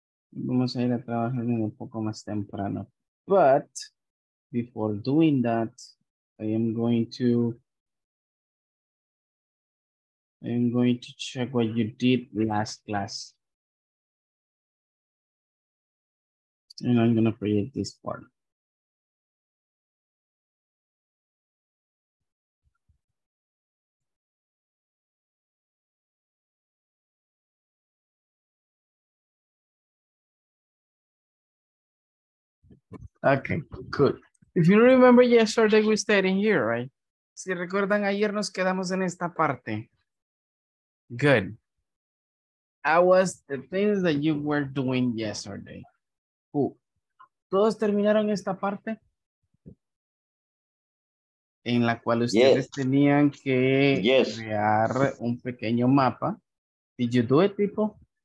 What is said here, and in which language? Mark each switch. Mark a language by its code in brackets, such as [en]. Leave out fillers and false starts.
[es] Vamos a ir a trabajar un poco más temprano. [en] But before doing that, I'm going to check what you did last class. And I'm gonna create this part. Okay, good. If you remember yesterday, we stayed in here, right? [es] Si recuerdan, ayer nos quedamos en esta parte. Good. [en] How was the things that you were doing yesterday? [es] Who? ¿Todos terminaron esta parte? En la cual ustedes yes. tenían que [en] yes. [es] crear un pequeño mapa. [en] Did you do it, people?